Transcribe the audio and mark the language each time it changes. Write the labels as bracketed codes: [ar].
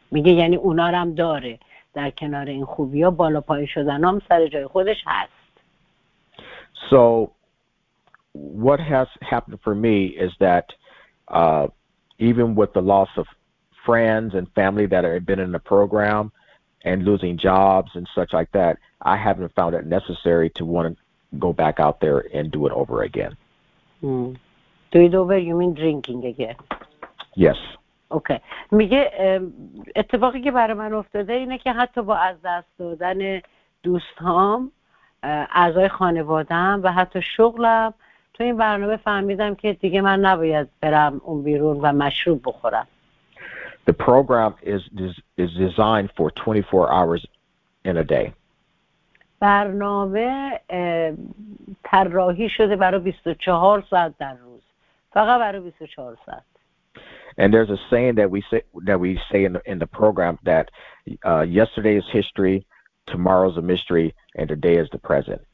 [fa] میگه یعنی اونا رو هم داره در کنار این خوبی ها، بالا پایین شدن هم سر جای خودش هست. [en] So what has happened for me is that even with the loss of friends and family that have been in the program and losing jobs and such like that, I haven't found it necessary to want to go back out there and do it over again. Do it over, you mean drinking again? Yes. Okay. [fa] میگه اتفاقی که برای من افتاده اینه که حتی با از دست دادن دوستام، اعضای خانوادم و حتی شغلم، تا تو این برنامه فهمیدم که دیگه من نباید برم اون بیرون و مشروب بخورم. [en] The program is designed for 24 hours in a day. [fa] برنامه طراحی شده برای 24 ساعت در روز. فقط برای 24 ساعت. [en] And there's a saying that we say in the program that yesterday is history, tomorrow's a mystery, and today is the present.